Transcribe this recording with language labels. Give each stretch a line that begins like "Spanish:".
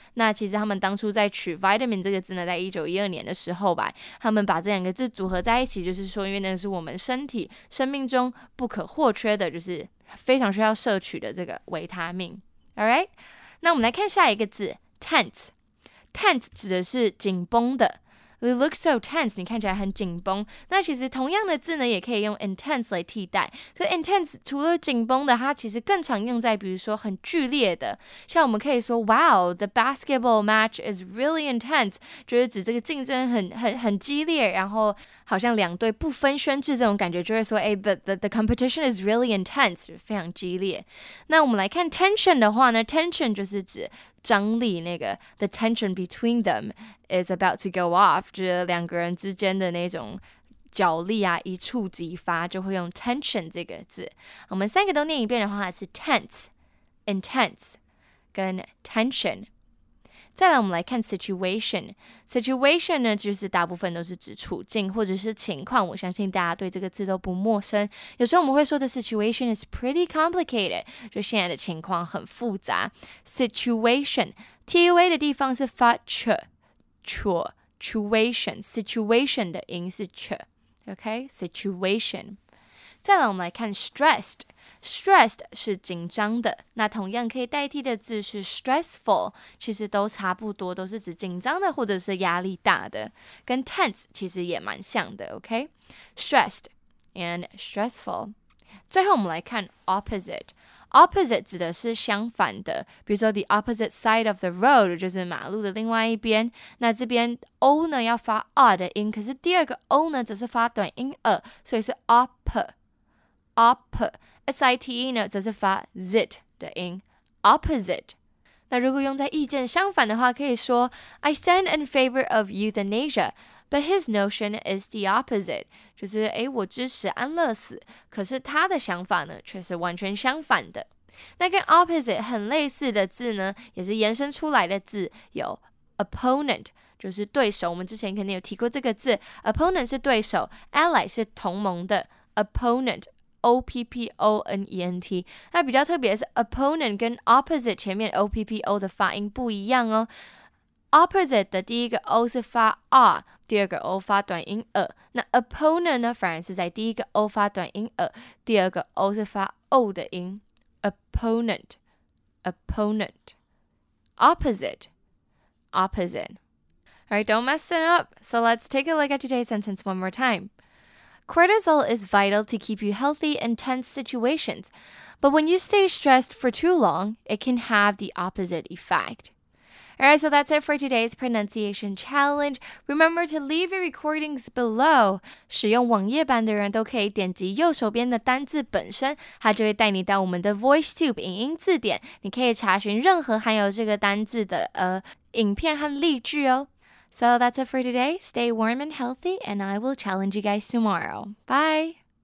Chinese: 那其实他们当初在取 vitamin 这个字呢，在1912年的时候吧，他们把这两个字组合在一起，就是说因为那是我们身体生命中不可或缺的，就是非常需要摄取的这个维他命。 Alright， 那我们来看下一个字 tense。Tense 指的是紧绷的。
English: You look so tense，
Chinese: 你看起来很紧绷。那其实同样的字呢，也可以用 intense 来替代。可 intense 除了紧绷的，它其实更常用在比如说很剧烈的。像我们可以说 ，
English: Wow， the basketball match is really intense，
Chinese: 就是指这个竞争很激烈，然后好像两队不分轩制这种感觉，就是说，哎 ，
English: the competition is really intense，
Chinese: 就是非常激烈。那我们来看 tension 的话呢 ，tension 就是指张力，那个
English: the tension between them is about to go off，
Chinese: 就是两个人之间的那种角力啊，一触即发，就会用 tension 这个字。我们三个都念一遍的话是 tense， intense 跟 tension。再来我们来看 situation， situation 呢就是大部分都是指处境或者是情况，我相信大家对这个字都不陌生。有时候我们会说
English: the situation is pretty complicated，
Chinese: 就现在的情况很复杂。 situation， TUA 的地方是发 situation， situation 的音是 ch， OK， situation。再来我们来看 stressedStressed 是紧张的，那同样可以代替的字是 stressful， 其实都差不多，都是指紧张的或者是压力大的，跟 tense 其实也蛮像的 ，OK？
English: Stressed and stressful。
Chinese: 最后我们来看 opposite。 Opposite 指的是相反的，比如说
English: the opposite side of the road
Chinese: 就是马路的另外一边。那这边 o 呢要发 r 的音，可是第二个 o 呢则是发短音 r， 所以是 opposite。 S-I-T-E 呢则是发 zit 的音 opposite。那如果用在意见相反的话可以说
English: I stand in favor of euthanasia but his notion is the opposite，
Chinese: 就是诶我支持安乐死，可是他的想法呢却是完全相反的。那跟 opposite 很类似的字呢也是延伸出来的字，有 opponent，就是对手，我们之前肯定有提过这个字， opponent 是对手， ally 是同盟的， opponentOPPONENT。那比较特别是 opponent 跟 opposite 前面 OPPO 的发音不一样哦。 opposite 的第一个 O 是发 R， 第二个 O 发短音 E， 那 opponent 呢反而是在第一个 O 发短音 E， 第二个 O 是发 O 的音， opponent， opponent， opposite， opposite。
English: Alright, don't mess it up. So let's take a look at today's sentence one more timeCortisol is vital to keep you healthy in tense situations, but when you stay stressed for too long, it can have the opposite effect. Alright, so that's it for today's pronunciation challenge. Remember to leave your recordings below.
Chinese: 使用网页版的人都可以点击右手边的单字本身，它就会带你到我们的 VoiceTube 影音字典，你可以查询任何含有这个单字的影片和例句哦。
English: So that's it for today. Stay warm and healthy, and I will challenge you guys tomorrow. Bye!